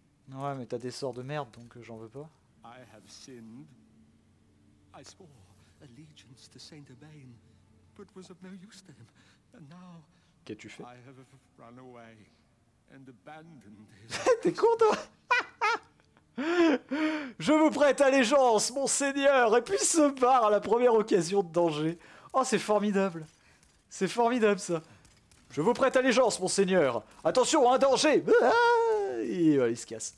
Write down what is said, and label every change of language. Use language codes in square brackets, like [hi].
[fr] Ouais, mais t'as des sorts de merde, donc j'en veux pas. [en] I have sinned. I swore allegiance to Saint Urbain, but was of no use to him. And now, [fr] qu'as-tu fait? [en] I have run away and abandoned his... [fr] T'es con, toi? Je vous prête allégeance, mon seigneur, et puis se barre à la première occasion de danger. Oh, c'est formidable. C'est formidable, ça. Je vous prête allégeance, monseigneur. Attention, un danger. Et voilà, il se casse.